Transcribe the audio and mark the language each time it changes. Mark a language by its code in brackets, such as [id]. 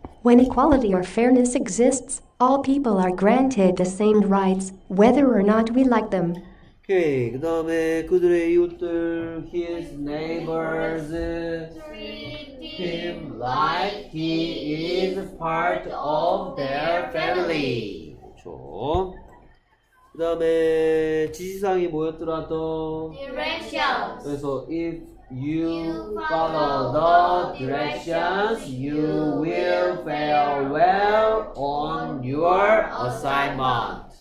[en] When equality or fairness exists, all people are granted the same rights, whether or not we like them. [ko] Okay, 그 다음에 그들의 이웃들, [en] his neighbors, treat him like he is part of their family. [ko] 그렇죠. 그 다음에 지시사항이 뭐였더라? [en] The directions. [ko] 그래서 [en] if you follow the directions, you will fare well on your assignment.